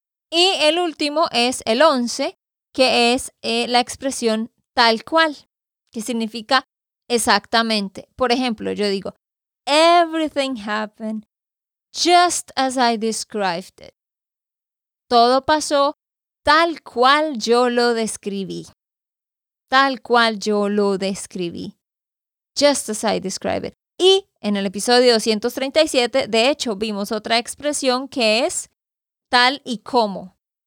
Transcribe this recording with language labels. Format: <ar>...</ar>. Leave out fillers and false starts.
<es>Y el último es el 11, que es la expresión tal cual, que significa exactamente. Por ejemplo, yo digo,</es> <en>everything happened just as I described it.</en> <es>Todo pasó tal cual yo lo describí. Tal cual yo lo describí.</es> <en>Just as I described it.</en> <es>Y en el episodio 237, de hecho, vimos otra expresión que es tal y como.</es>